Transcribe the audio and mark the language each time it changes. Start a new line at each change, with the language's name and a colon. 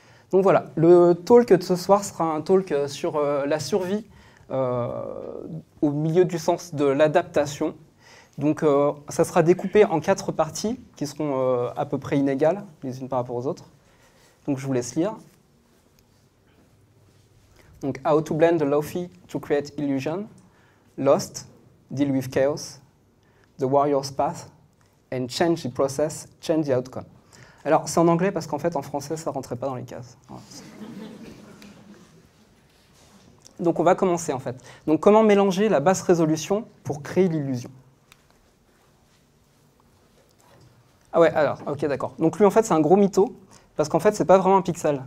French: Donc voilà, le talk de ce soir sera un talk sur la survie au milieu du sens de l'adaptation. Donc ça sera découpé en quatre parties qui seront à peu près inégales les unes par rapport aux autres. Donc je vous laisse lire.
English: Donc, how to blend the lofi to create illusion, lost, deal with chaos, the warrior's path, and change the process, change the outcome.
French: Alors, c'est en anglais parce qu'en fait, en français, ça ne rentrait pas dans les cases. Voilà. Donc, on va commencer, en fait. Donc, comment mélanger la basse résolution pour créer l'illusion? Ah ouais, alors, ok, d'accord. Donc, lui, en fait, c'est un gros mytho, parce qu'en fait, ce n'est pas vraiment un pixel.